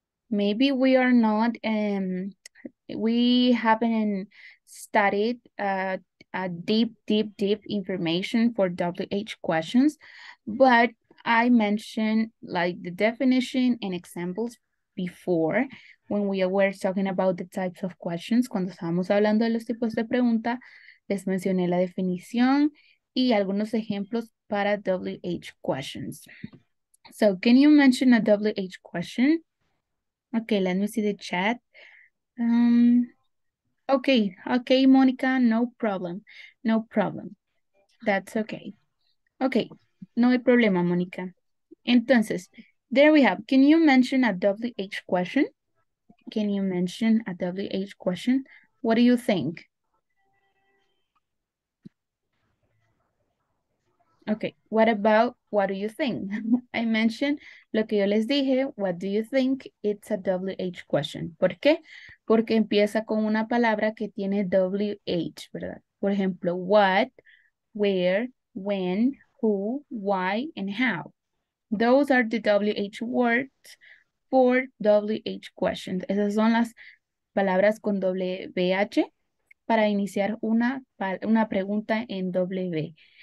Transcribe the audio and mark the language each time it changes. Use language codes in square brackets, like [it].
[en] Maybe we are not, we haven't studied deep information for WH questions, but I mentioned like the definition and examples before when we were talking about the types of questions. [es] Cuando estábamos hablando de los tipos de pregunta, les mencioné la definición y algunos ejemplos para WH questions. [en] So, can you mention a WH question? Okay, let me see the chat. Okay, Monica, no problem. No problem. That's okay. [es] Okay, no hay problema, Monica. Entonces, [en] there we have. Can you mention a WH question? Can you mention a WH question? What do you think? Okay, what about, what do you think? I mentioned [es] lo que yo les dije, [en] what do you think? It's a WH question. [es] ¿Por qué? Porque empieza con una palabra que tiene WH, ¿verdad? Por ejemplo, [en] what, where, when, who, why, and how. Those are the WH words for WH questions. [es] Esas son las palabras con WH para iniciar una pregunta en W.